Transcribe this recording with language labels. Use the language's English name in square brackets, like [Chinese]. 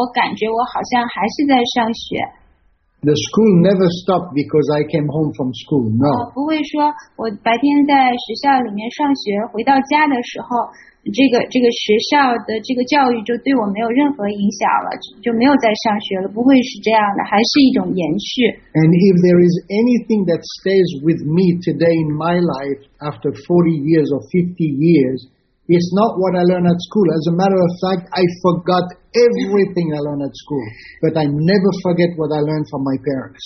[Chinese] 我记得我的这个成长的这个历程是这样的，我记得我在学校里面上学，然后等我回家的时候，我感觉我好像还是在上学。 [English] The school never stopped because I came home from school, no. [Chinese] 不会说我白天在学校里面上学，回到家的时候，这个学校的这个教育就对我没有任何影响了，就没有再上学了，不会是这样的，还是一种延续。 [English] And if there is anything that stays with me today in my life after 40 years or 50 years, it's not what I learned at school. As a matter of fact, I forgot everything I learned at school. But I never forget what I learned from my parents.